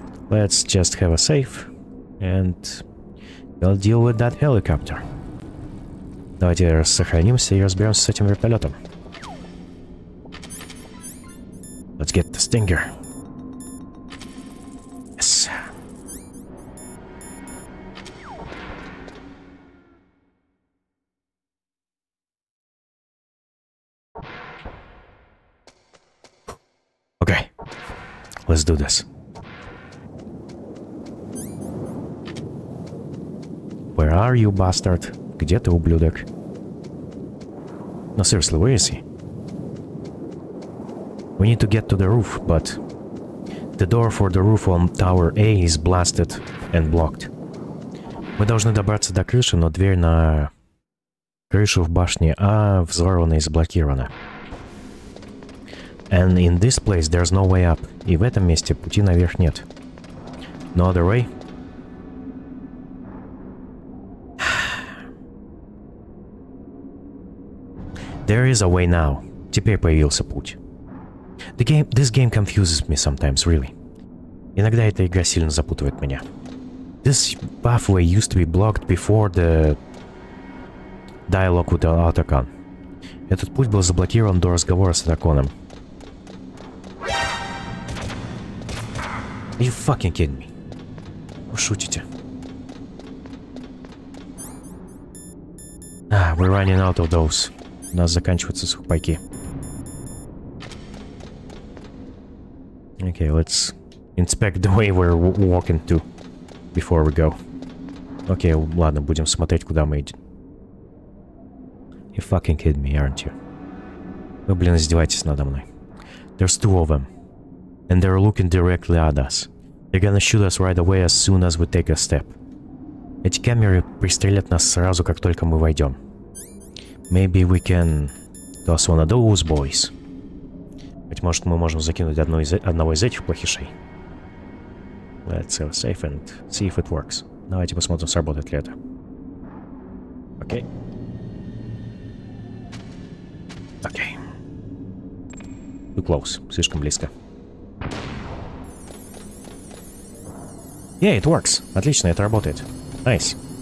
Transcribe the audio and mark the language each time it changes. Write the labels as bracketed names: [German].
[English] Let's just have a safe and we'll deal with that helicopter. [Russian] Давайте сохранимся и разберемся с этим вертолетом. [English] Let's get the Stinger. Yes. Okay. Let's do this. Where are you, bastard? [Russian] Где ты, ублюдок? [English] No, seriously, where is he? We need to get to the roof, but the door for the roof on Tower A is blasted and blocked. [Russian] Мы должны добраться до крыши, но дверь на крышу в башне А взорвана и заблокирована. [English] And in this place there's no way up. [Russian] И в этом месте пути наверх нет. [English] No other way? There is a way now. [Russian] Теперь появился путь. [English] This game confuses me sometimes, really. [Russian] Иногда эта игра сильно запутывает меня. [English] This pathway used to be blocked before the dialogue with Otacon. [Russian] Этот путь был заблокирован до разговора с Otaconом. [English] Are you fucking kidding me? [Russian] Вы шутите? [English] Ah, we're running out of those. [Russian] У нас заканчиваются сухпайки. [English] Okay, let's inspect the way we're walking to before we go. [Russian] Okay, ладно, будем смотреть, куда мы идем. [English] You fucking kidding me, aren't you? [Russian] Вы, блин, издеваетесь надо мной. [English] There's two of them. And they're looking directly at us. They're gonna shoot us right away as soon as we take a step. [Russian] Эти камеры пристрелят нас сразу, как только мы войдем. [English] Maybe we can toss one of those boys. [Russian] Ведь может мы можем закинуть одного из этих плохишей. [English] Let's have a safe and see if it works. [Russian] Давайте посмотрим, сработает ли это. Окей. Окей. [English] Too close. [Russian] Слишком близко. [English] Yeah, it works. [Russian] Отлично, это работает. [English] Nice.